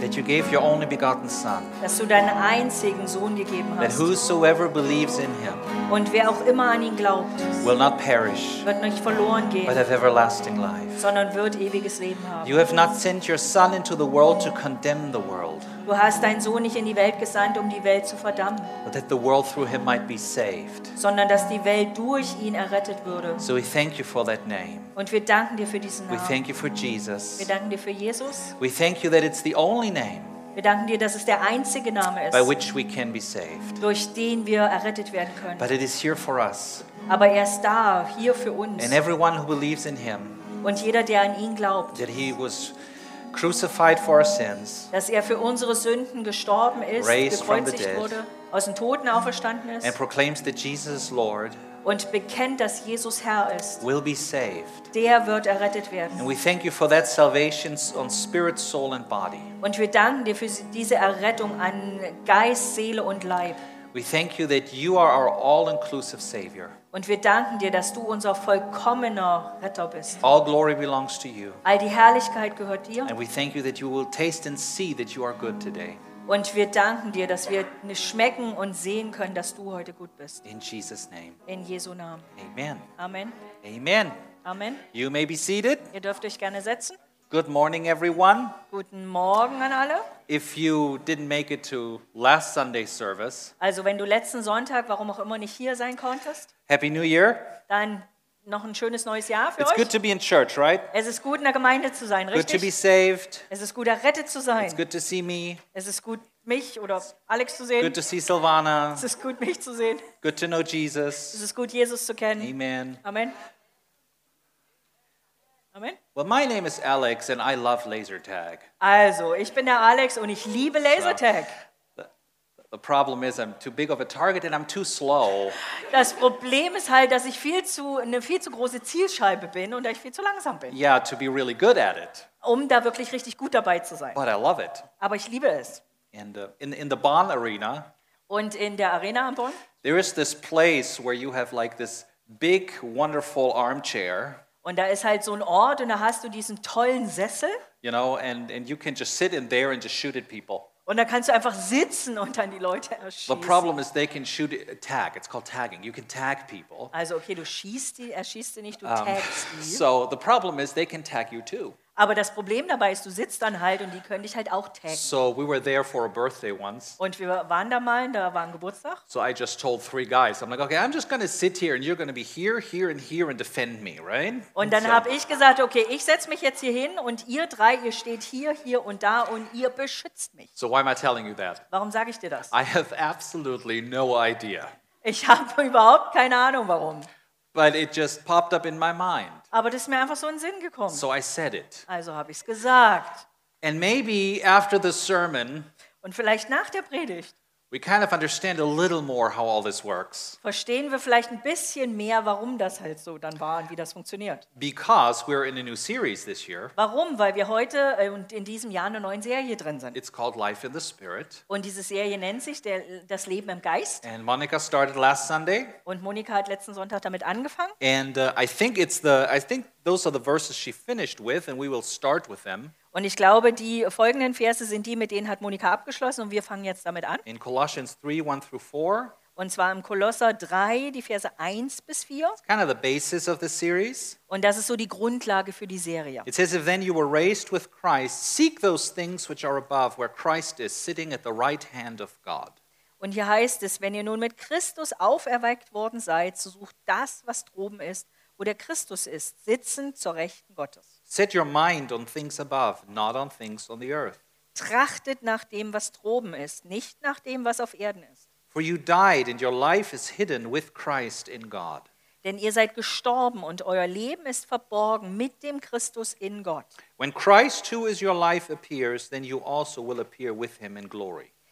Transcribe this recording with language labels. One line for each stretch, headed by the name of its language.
English: That you gave your only begotten Son.
German: Dass du deinen einzigen Sohn gegeben hast.
English: That whosoever believes in him.
German: Und wer auch immer an ihn glaubt.
English: Will not perish.
German: Wird nicht verloren gehen.
English: But have everlasting life.
German: Sondern wird ewiges Leben haben.
English: You have not sent your Son into the world to condemn the world.
German: Du hast deinen Sohn nicht in die Welt gesandt, um die Welt zu verdammen.
English: But that the world through him might be saved.
German: Sondern dass die Welt durch ihn errettet würde.
English: So we thank you for that name.
German: Und wir danken dir für diesen Namen.
English: We thank you for Jesus.
German: Wir danken dir für Jesus.
English: We thank you that it's the only name.
German: Wir danken dir, dass es der einzige Name ist.
English: By which we can be saved.
German: Durch den wir errettet werden können.
English: But it is here for us.
German: Aber er ist da, hier für uns.
English: And everyone who believes in him.
German: Und jeder, der an ihn glaubt.
English: That he was crucified for our sins.
German: Dass er für unsere Sünden gestorben ist,
English: raised
German: gekreuzigt
English: from the dead,
German: wurde, aus den Toten auferstanden ist.
English: And proclaims that Jesus is Lord.
German: Und bekennt, dass Jesus Herr ist.
English: Will be saved.
German: Der wird errettet werden.
English: And we thank you for that salvation on spirit, soul and body.
German: Und wir danken dir für diese Errettung an Geist, Seele und Leib.
English: We thank you that you are our all-inclusive Savior.
German: Und wir danken dir, dass du unser vollkommener Retter bist.
English: All glory belongs to you.
German: All die Herrlichkeit gehört dir.
English: And we thank you that you will taste and see that you are good today.
German: Und wir danken dir, dass wir schmecken und sehen können, dass du heute gut bist.
English: In Jesus' name.
German: In Jesu Namen.
English: Amen.
German: Amen.
English: Amen.
German: Amen.
English: You may be seated.
German: Ihr dürft euch gerne setzen.
English: Good morning, everyone.
German: Guten Morgen an alle.
English: If you didn't make it to last Sunday's service.
German: Also wenn du letzten Sonntag, warum auch immer, nicht hier sein konntest.
English: Happy New Year.
German: Dann noch ein schönes neues Jahr für
English: It's
German: euch.
English: It's good to be in church, right?
German: Es ist gut, in der Gemeinde zu sein, richtig?
English: Good to be saved.
German: Es ist gut, errettet zu sein.
English: It's good to see me.
German: Es ist gut, mich oder Alex zu sehen.
English: Good to see Silvana.
German: Es ist gut, mich zu sehen.
English: Good to know Jesus.
German: Es ist gut, Jesus zu kennen.
English: Amen.
German: Amen. Amen.
English: Well, my name is Alex and I love laser tag.
German: Also, ich bin der Alex und ich liebe laser tag.
English: So. The problem is I'm too big of a target and I'm too slow.
German: Das Problem ist halt, dass ich eine viel zu große Zielscheibe bin und ich viel zu langsam bin.
English: Yeah, to be really good at it.
German: Um da wirklich richtig gut dabei zu sein.
English: But I love it.
German: Aber ich liebe es.
English: And in the Bonn Arena.
German: Und in der Arena am Bonn.
English: There is this place where you have like this big wonderful armchair.
German: Und da ist halt so ein Ort und da hast du diesen tollen Sessel.
English: You know, and you can just sit in there and just shoot at people.
German: Und da kannst du einfach sitzen und dann die Leute erschießen.
English: The problem is they can shoot a tag. It's called tagging. You can tag people.
German: Also okay, du schießt die, erschießt die nicht, du tagst die.
English: So the problem is they can tag you too.
German: Aber das Problem dabei ist, du sitzt dann halt und die können dich halt auch taggen.
English: So we were there for a birthday once.
German: Und wir waren da mal, da war ein Geburtstag.
English: So I just told three guys, I'm like, okay, I'm just going to sit here and you're going to be here, here and here and defend me, right?
German: Und dann so. Habe ich gesagt, okay, ich setze mich jetzt hier hin und ihr drei, ihr steht hier, hier und da und ihr beschützt mich.
English: So why am I telling you that?
German: Warum sage ich dir das?
English: I have absolutely no idea.
German: Ich habe überhaupt keine Ahnung, warum.
English: But it just popped up in my mind.
German: Aber das ist mir einfach so in den Sinn gekommen.
English: So I said it.
German: Also habe ich es gesagt.
English: And maybe after the sermon.
German: Und vielleicht nach der Predigt.
English: We kind of understand a little more how all this works.
German: Verstehen wir vielleicht ein bisschen mehr, warum das halt so dann war und wie das funktioniert.
English: Because we're in a new series this year.
German: Warum? Weil wir heute und in diesem Jahr eine neue Serie drin sind.
English: It's called Life in the Spirit.
German: Und diese Serie nennt sich das Leben im Geist.
English: And Monica started last Sunday.
German: Und Monika hat letzten Sonntag damit angefangen.
English: And I think those are the verses she finished with, and we will start with them.
German: Und ich glaube, die folgenden Verse sind die, mit denen hat Monika abgeschlossen und wir fangen jetzt damit an.
English: In Colossians 3, 1 through 4.
German: Und zwar im Kolosser 3, die Verse 1 bis 4.
English: It's kind of the basis of the series.
German: Und das ist so die Grundlage für die Serie.
English: It says, if then you were raised with Christ, seek those things which are above, where Christ is sitting at the right hand of God.
German: Und hier heißt es, wenn ihr nun mit Christus auferweckt worden seid, so sucht das, was droben ist, wo der Christus ist, sitzend zur Rechten Gottes.
English: Set your mind on things above, not on things on the earth.
German: Trachtet nach dem, was droben ist, nicht nach dem, was auf Erden ist.
English: For you died and your life is hidden with Christ in God.
German: Denn ihr seid gestorben und euer Leben ist verborgen mit dem Christus in Gott.
English: When Christ, who is your life, appears, then you also will appear with him in glory.